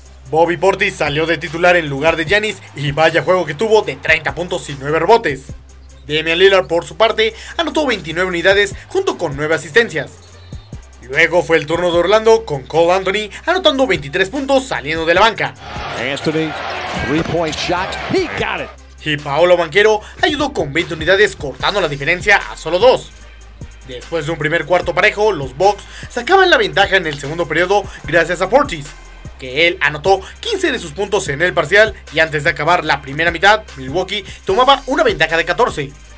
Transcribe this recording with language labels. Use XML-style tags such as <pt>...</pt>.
<es>Bobby Portis salió de titular en lugar de Giannis y vaya juego que tuvo de 30 puntos y 9 rebotes. Damian Lillard, por su parte, anotó 29 unidades junto con 9 asistencias. Luego fue el turno de Orlando con Cole Anthony anotando 23 puntos saliendo de la banca.</es> <en>Anthony, 3-point shot, he got it.</en> <es>Y Paolo Banchero ayudó con 20 unidades cortando la diferencia a solo 2. Después de un primer cuarto parejo, los Bucks sacaban la ventaja en el segundo periodo gracias a Portis, que él anotó 15 de sus puntos en el parcial y antes de acabar la primera mitad, Milwaukee tomaba una ventaja de 14.</es>